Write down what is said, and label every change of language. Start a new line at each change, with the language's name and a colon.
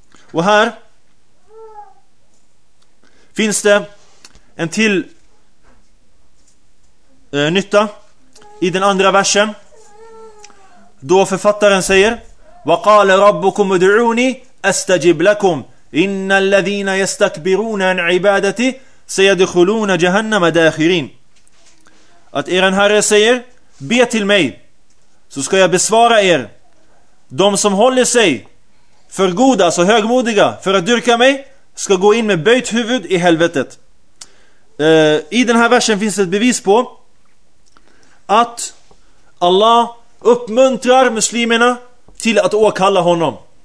Swedish: Och här finns det en till nytta i den andra versen. Då författaren säger:
Arabic: وَقَالَ رَبُّكُمْ اُدْعُونِي أَسْتَجِبْ لَكُمْ إن الذين يستكبرون عن عبادتي سَيَدْخُلُونَ جَهَنَّمَ دَاخِرِينَ.
Swedish: Att er herre säger, be till mig så ska jag besvara er. De som håller sig för goda, alltså högmodiga, för att dyrka mig, ska gå in med böjt huvud i helvetet. I den här versen finns ett bevis på att Allah uppmuntrar muslimerna till att åkalla honom.